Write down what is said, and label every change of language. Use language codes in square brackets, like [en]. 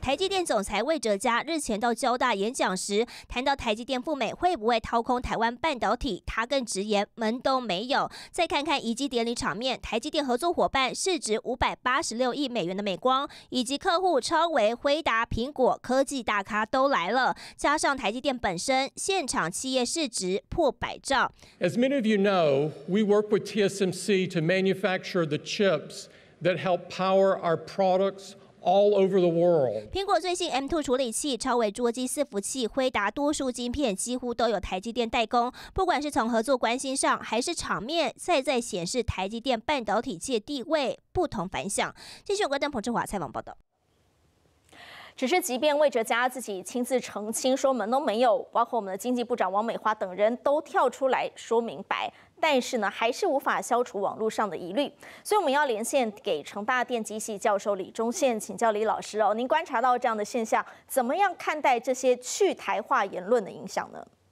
[zh] 台积电总裁魏哲嘉日前到交大演讲时，谈到台积电赴美会不会掏空台湾半导体，他更直言门都没有。再看看移机典礼场面，台积电合作伙伴市值586亿美元的美光，以及客户超微、辉达、苹果科技大咖都来了，加上台积电本身，现场企业市值破百兆。 [en] As many of you know, we work with TSMC to manufacture the chips that help power our products all over the world. [zh] 苹果最新 M2 处理器、超微桌机伺服器、辉达多数晶片几乎都有台积电代工。不管是从合作关系上，还是场面，再显示台积电半导体界地位不同凡响。继续，关灯彭志华采访报道。只是即便魏哲嘉自己亲自澄清说门都没有，包括我们的经济部长王美花等人都跳出来说明白，但是呢还是无法消除网络上的疑虑，所以我们要连线给成大电机系教授李忠宪请教李老师哦，您观察到这样的现象，怎么样看待这些去台化言论的影响呢？